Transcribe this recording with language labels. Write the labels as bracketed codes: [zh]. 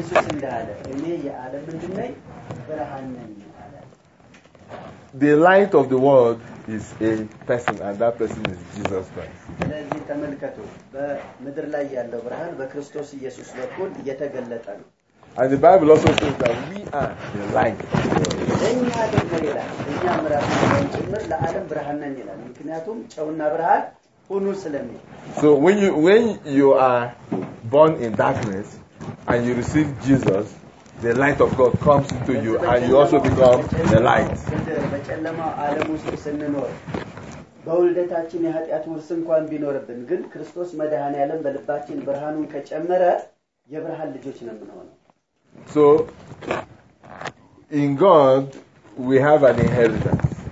[am] ኢየሱስ እንዳለ እኔ የዓለም እንደነኝ ብርሃን ነኝ አለ። [en] The light of the world is a person and that person is Jesus Christ. [am] ስለዚህ ተመልከቱ በምድር ላይ ያለው ብርሃን በክርስቶስ ኢየሱስ በኩል እየተገለጠ ነው። [en] And the Bible also says that we are the light. [am] እኛ ደግሞ ይላል እኛ ምራቃችን ጭምር ለዓለም ብርሃን ነን ይላል ምክንያቱም ጨውና ብርሃን ሆኖ ስለሚል። [en] So when you are born in darkness and you receive Jesus the light of God comes into you and you also become the light [am] በጨለማው ዓለም ውስጥ ስንኖር በውልደታችን የኃጢአት ውርስ እንኳን ቢኖርብን ግን ክርስቶስ መድኃኔዓለም በልባችን ብርሃኑን ከጨመረ የብርሃን ልጆች ነን ማለት [en] So in God we have an inheritance